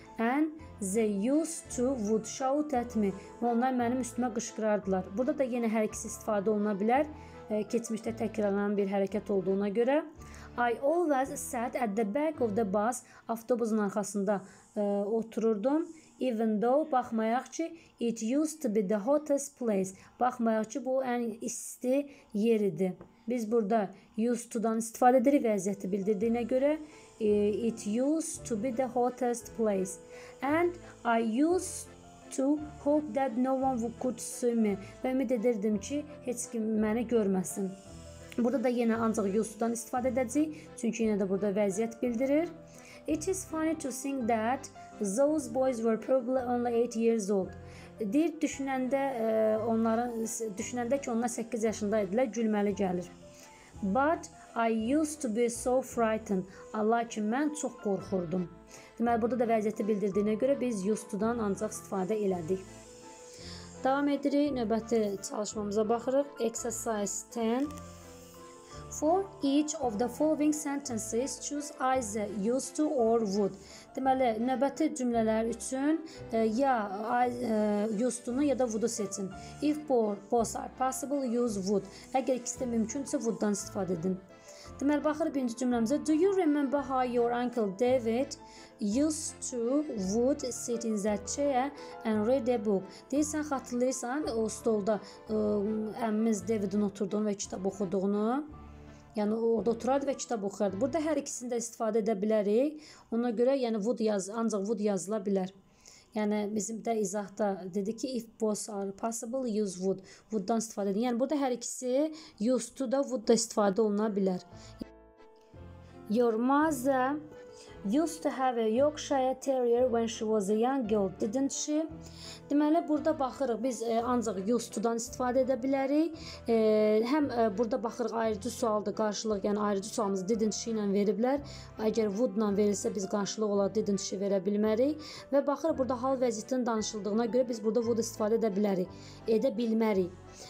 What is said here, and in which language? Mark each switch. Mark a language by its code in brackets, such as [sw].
[en] And they used to would shout at me. [az] Onlar mənim üstümə qışqırardılar. Burada da yenə hər ikisi istifadə oluna bilər. Keçmişdə təkrarlanan bir hərəkət olduğuna görə. I always sat at the back of the bus. Avtobusun arxasında otururdum. [en] Even though, [az] baxmayaq ki, [en] it used to be the hottest place. [az] Baxmayaq ki, bu ən isti yer idi. Biz burada used to-dan istifadə edirik vəziyyəti bildirdiyinə görə. [en] It used to be the hottest place. And I used to hope that no one could see me. [az] Və ümid edirdim ki, heç kim məni görməsin. Burada da yenə ancaq used to-dan istifadə edəcəyik. Çünki yenə də burada vəziyyət bildirir. [en] It is funny to think that those boys were probably only 8 years old. [az] Deyir, düşünəndə ki, onlar 8 yaşında idilər, gülməli gəlir. [en] But I used to be so frightened. [az] Allah ki, mən çox qorxurdum. Deməli, burada da vəziyyəti bildirdiyinə görə biz used-dan ancaq istifadə elədik. Davam edirik. Növbəti çalışmamıza baxırıq. [en] Exercise 10. For each of the following sentences, choose either used to or would. [az] Deməli, növbəti cümlələr üçün ya used to-nu ya da would-u seçin. [en] If both are possible, use would. [az] Əgər ikisi də mümkünsə, would-dan istifadə edin. Deməli, baxırıq birinci cümləmizə. [en] Do you remember how your uncle David used to would sit in that chair and read a book? [az] Deyirsən, xatırlayırsan, o stolda əmimiz David-in oturduğunu və kitab oxuduğunu. Yəni, orada oturardı və kitab oxuyardı. Burada hər ikisini də istifadə edə bilərik. Ona görə, yəni, would yaz, ancaq would yazıla bilər. Yəni, bizim də izahda dedi ki, [en] if both are possible, use would. [az] Would-dan istifadə edin. Yəni, burada hər ikisi used to da, would da istifadə oluna bilər. [en] Your mother used to have a Yorkshire Terrier when she was a young girl, didn't she? [az] Deməli, burada baxırıq, biz ancaq used to-dan istifadə edə bilərik. Həm burada baxırıq, ayrıcı sualdır qarşılıq, yəni ayrıcı sualımızı didn't she ilə veriblər. Əgər would ilə verilsə, biz qarşılıq ola didn't she verə bilmərik. Və baxırıq, burada hal vəziyyətinin danışıldığına görə biz burada would istifadə edə bilərik, edə bilmərik.